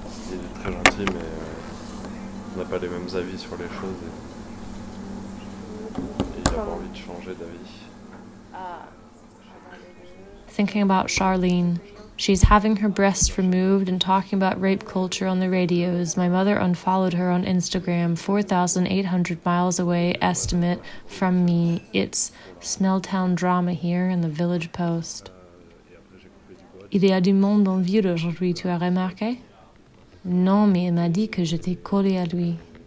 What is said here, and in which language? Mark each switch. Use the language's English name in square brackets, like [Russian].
[French] Il est très gentil, mais on n'a pas les mêmes avis sur les choses et il a pas envie de changer d'avis. [English] Thinking about Charlene. She's having her breasts removed and talking about rape culture on the radios. My mother unfollowed her on Instagram, 4,800 miles away, estimate from me. It's Smelltown drama here in the Village Post. [French] Il y a du monde en ville aujourd'hui, tu as remarqué? Non, mais il m'a dit que j'étais collée à lui.